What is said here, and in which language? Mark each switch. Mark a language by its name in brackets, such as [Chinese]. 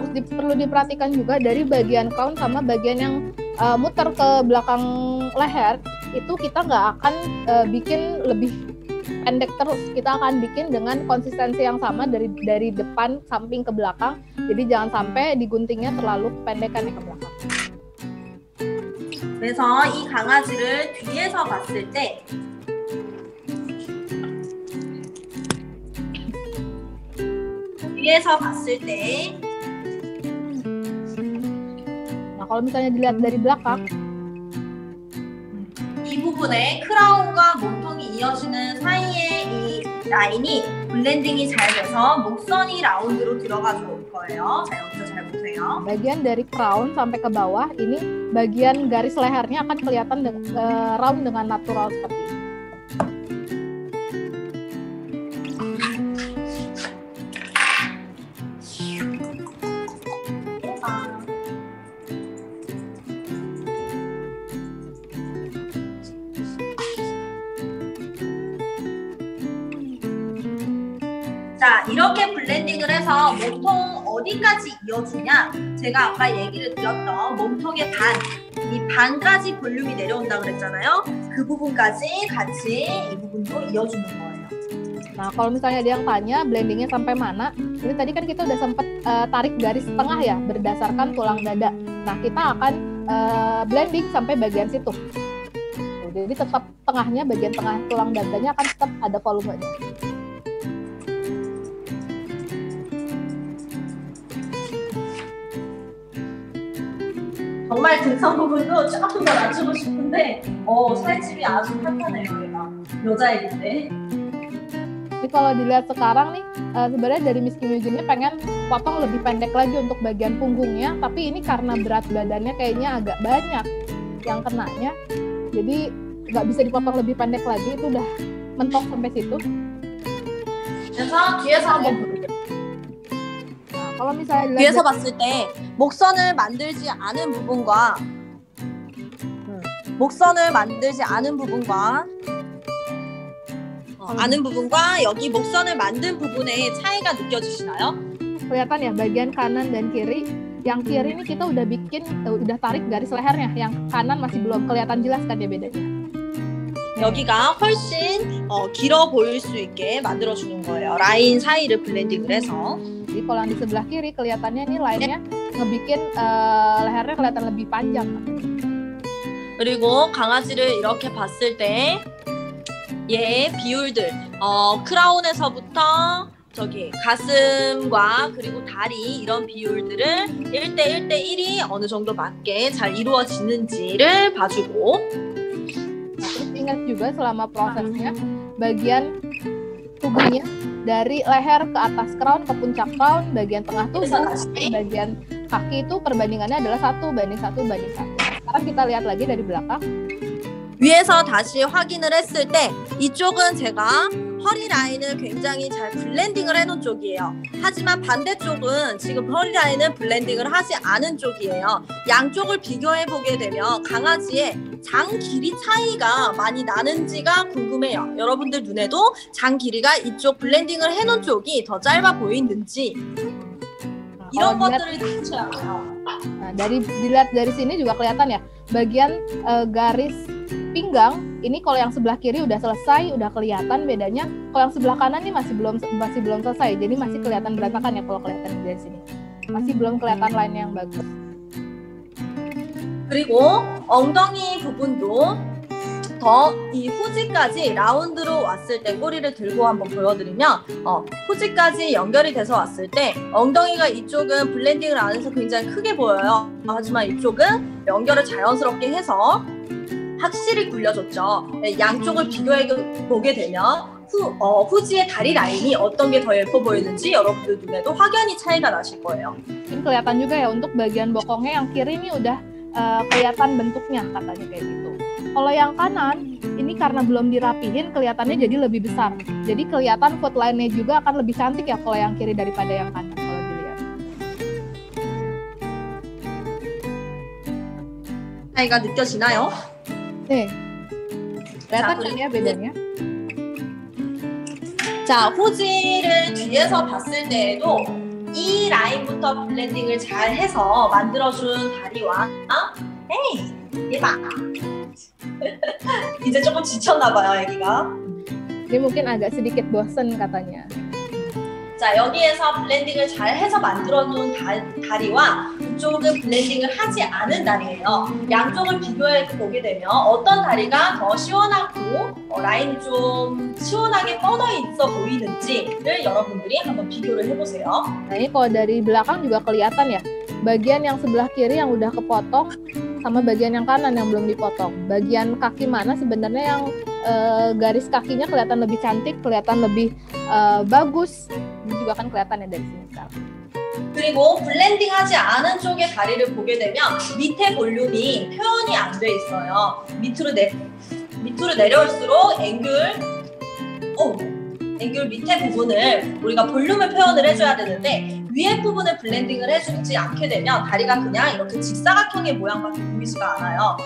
[Indonesian] Terus perlu diperhatikan juga dari bagian crown sama bagian yang muter ke belakang leher. Itu kita nggak akan bikin lebih pendek terus, kita akan bikin dengan konsistensi yang sama dari depan samping ke belakang, jadi jangan sampai diguntingnya terlalu pendekannya ke belakang. [Korean] 그래서 이 강아지를 뒤에서 봤을 때 뒤에서 봤을 때 [Indonesian] nah kalau misalnya dilihat dari belakang [Korean] 부분에 크라운과 몸통이 이어지는 사이에 이 라인이 블렌딩이 잘 돼서 목선이 라운드로 들어가서 올 거예요. 자, 여기서 잘 보세요. [Indonesian] Bagian dari crown sampai ke bawah ini bagian garis lehernya akan kelihatan round dengan natural seperti ini. [Korean] 자, 이렇게 블렌딩을 해서 몸통 어디까지 이어주냐? 제가 아까 얘기를 드렸던 몸통의 반, 이 반까지 볼륨이 내려온다 그랬잖아요. 그 부분까지 같이 이 부분도 이어주는 거예요. [Indonesian] Nah, kalau misalnya ada yang tanya blendingnya sampai mana, ini tadi kan kita udah sempat tarik garis tengah ya berdasarkan tulang dada. Nah, kita akan blending sampai bagian situ. Jadi tetap tengahnya, bagian tengah tulang dadanya akan tetap ada volumenya. [Korean] 정말 등선 부분도 조금 더 낮추고 싶은데 살집이 아주 탄탄해요, 얘가. 여자애인데. [Indonesian] kalau dilihat sekarang nih, sebenarnya dari Miss Kim Yujin-nya pengen potong lebih pendek lagi untuk bagian punggungnya, tapi ini karena berat badannya kayaknya agak banyak yang kenanya, jadi nggak bisa dipotong lebih pendek lagi, itu udah mentok sampai situ. Dan sama dia sama. Kalau misalnya [Korean] bias에서 봤을 때 목선을 만들지 않은 부분과 목선을 만들지 않은 부분과 아는 부분과 여기 목선을 만든 부분의 차이가 느껴지시나요? 그러니까 [Indonesian] ya bagian kanan dan kiri. Yang kiri ini kita udah bikin udah tarik garis lehernya. Yang kanan masih belum kelihatan jelas kan dia bedanya. [Korean] 여기가 훨씬 길어 보일 수 있게 만들어 주는 거예요. 라인 사이를 블렌딩을 해서. 이 콜랑 [Indonesian] di sebelah kiri kelihatannya ini line-nya ngebikin lehernya kelihatan lebih panjang. [Korean] 그리고 강아지를 이렇게 봤을 때 얘 비율들 크라운에서부터 저기 가슴과 그리고 다리 이런 비율들을 1대 1대 1이 어느 정도 맞게 잘 이루어지는지를 봐주고 [Indonesian] ingat juga selama prosesnya bagian tubuhnya dari leher ke atas crown ke puncak crown bagian tengah tubuh bagian kaki itu perbandingannya adalah 1:1:1. Sekarang kita lihat lagi dari belakang. [Korean] 위에서 다시 확인을 했을 때 이쪽은 제가 허리 라인을 굉장히 잘 블렌딩을 해놓은 쪽이에요. 하지만 반대쪽은 지금 허리 라인을 블렌딩을 하지 않은 쪽이에요. 양쪽을 비교해 보게 되면 강아지의 장 길이 차이가 많이 나는지가 궁금해요. 여러분들 눈에도 장 길이가 이쪽 블렌딩을 해놓은 쪽이 더 짧아 보이는지 이런 것들을 찾아야 돼요. [Indonesian] 딜렛 dari sini juga kelihatan ya. Bagian garis pinggang ini kalau yang sebelah kiri udah selesai, udah kelihatan bedanya. Kalau yang sebelah kanan ini masih belum selesai. Jadi masih kelihatan berantakan ya kalau kelihatan dari sini. Masih belum kelihatan line yang bagus. [Korean] 그리고 엉덩이 부분도 더 이 후지까지 라운드로 왔을 때 꼬리를 들고 한번 보여드리면 후지까지 연결이 돼서 왔을 때 엉덩이가 이쪽은 블렌딩을 안 해서 굉장히 크게 보여요. 하지만 이쪽은 연결을 자연스럽게 해서 확실히 굴려졌죠. 양쪽을 비교해 보게 되면 후지의 다리 라인이 어떤 게 더 예뻐 보이는지 여러분들 눈에도 확연히 차이가 나실 거예요. 그러니까 약간 [Indonesian] juga ya untuk bagian bokongnya yang kirim udah kelihatan bentuknya katanya kayak gitu. Kalau yang kanan ini karena belum dirapihin kelihatannya jadi lebih besar. Jadi kelihatan foot line-nya juga akan lebih cantik ya kalau yang kiri daripada yang kanan. Kalau dilihat. [Korean] 차이가 느껴지나요? 네. 그래서 그게 [Indonesian] bedanya. [Korean] 자, 후지를 뒤에서 봤을 때에도 이 라인부터 블렌딩을 잘 해서 만들어 준 다리와 에이, 예봐. 이제 조금 지쳤나 봐요, 아기가. [Indonesian] 네, mungkin agak sedikit bosan katanya. [Korean] 자, 여기에서 블렌딩을 잘 해서 만들어 놓은 다리와 이쪽은 블렌딩을 하지 않은 다리예요. 양쪽을 비교해 보게 되면 어떤 다리가 더 시원하고 라인 좀 시원하게 뻗어 있어 보이는지를 여러분들이 한번 비교를 해 보세요. [Indonesian] 네, 거 dari belakang juga kelihatan ya. Bagian yang sebelah kiri yang udah kepotong sama bagian yang kanan yang belum dipotong. Bagian kaki mana sebenarnya yang garis kakinya kelihatan lebih cantik, kelihatan lebih bagus. Ini juga kan kelihatan ya dari sini sekarang. [Korean] 그리고 블렌딩 하지 않은 쪽의 다리를 보게 되면 밑에 볼륨이 표현이 안 돼 있어요. 밑으로 내려올수록 앵귤 밑에 부분을 우리가 볼륨을 표현을 해줘야 되는데 위에 부분을 블렌딩을 해주지 않게 되면 다리가 그냥 이렇게 직사각형의 모양밖에 보이지가 않아요.